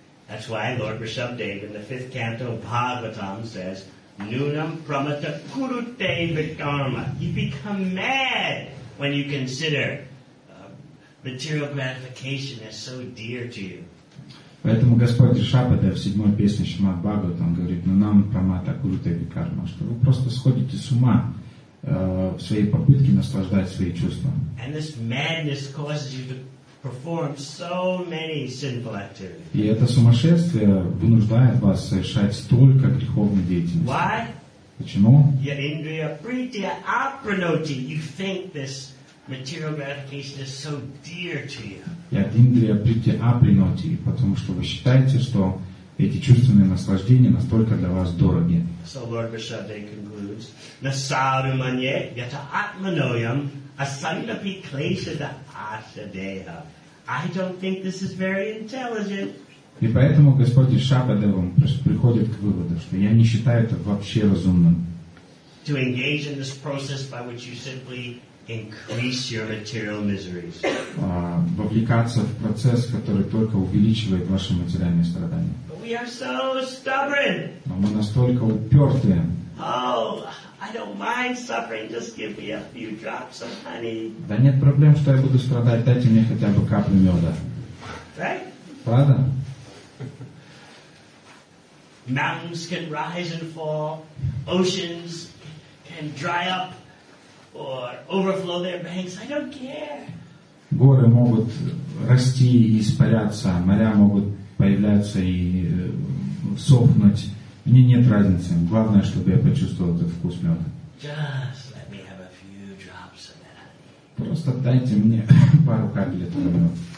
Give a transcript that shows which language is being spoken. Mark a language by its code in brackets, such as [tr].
[en] That's why Lord Rishabhdev in the fifth canto of Bhagavatam says, [sa] Nunam pramata kurute vidharma. [en] You become mad when you consider material gratification as so dear to you. [ru] Поэтому Господь Ришабхадев в седьмой песне Шримад Бхагаватам говорит, [sa] ну нам прамата курута викарма, [ru] что вы просто сходите с ума в своей попытке наслаждать свои чувства. [en] And this madness causes you to perform so many sinful activities. [ru] И это сумасшествие вынуждает вас совершать столько греховной деятельности. [en] Why? [ru] Почему? [sa] Yet indriya pritya apranoti, [en] you think this material gratification is so dear to you. [sa] Я индрия прити апринати, [ru] потому что вы считаете, что эти чувственные наслаждения настолько для вас дороги. [en] So Lord Vishuddha concludes, [sa] Nasaru manye yata atmanoyam asanapi klesha asadeha. [en] I don't think this is very intelligent. [ru] И поэтому Господь Шабадева приходит к выводу, что я не считаю это вообще разумным. [en] To engage in this process by which you simply increase your material miseries. [ru] Вовлекаться в процесс, который только увеличивает ваши материальные страдания. [en] But we are so stubborn. [ru] Но мы настолько упертые. [en] Oh, I don't mind suffering. Just give me a few drops of honey. [ru] Да нет проблем, что я буду страдать. Дайте мне хотя бы каплю меда. [en] Right? [ru] Правда? [en] Mountains can rise and fall. Oceans can dry up. Or overflow their banks. I don't care. [ru] Горы могут расти и испаряться, моря могут появляться и сохнуть. Мне нет разницы. Главное, чтобы я почувствовал этот вкус меда. [en] Just let me have a few drops of that honey. [ru] Просто дайте мне пару капель этого меда.